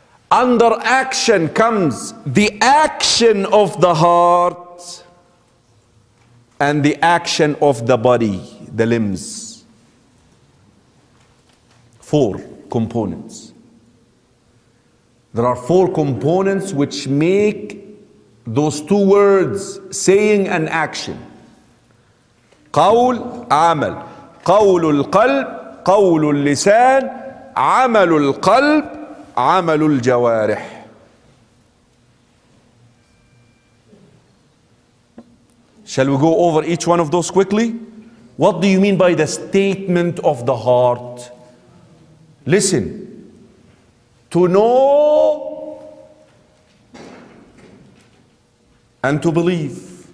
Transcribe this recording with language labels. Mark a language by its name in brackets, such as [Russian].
[English] Under action comes the action of the heart and the action of the body, the limbs. Four components. There are four components which make those two words, saying and action. [Arabic] قول, عمل. قول القلب, قول اللسان, عمل القلب, عمل الجوارح. [English] Shall we go over each one of those quickly? What do you mean by the statement of the heart? Listen. To know and to believe.